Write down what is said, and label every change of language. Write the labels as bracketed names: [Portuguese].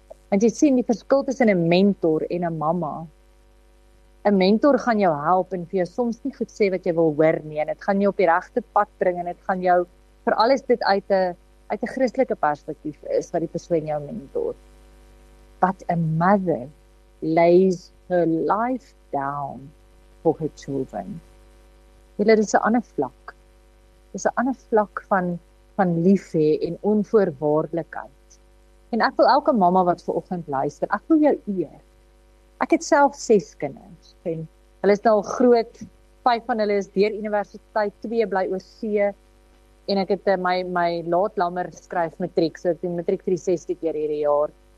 [Afrikaans] Want jy sien, die verskil tussen 'n mentor en 'n mamma. 'n Mentor gaan jou help en vir jou soms nie goed sê wat jy wil hoor nie, en dit gaan jou op die regte pad bring en dit gaan jou, vir alles dit uit 'n Christelike perspektief is, wat die persoon jou mentor. [English] But a mother lays her life down for her children. [Afrikaans] Julle, dit is 'n ander vlak. Dit is 'n ander vlak van liefhê en onvoorwaardelikheid. En ek wil elke mamma wat vanoggend luister, ek wil jou eer. Ek het self 6 kinders en hulle is al groot. 5 van hulle is deur universiteit, 2 bly oor see en ek het my laatlammer skryf matriek, so ek doen matriek 360 keer hierdie jaar.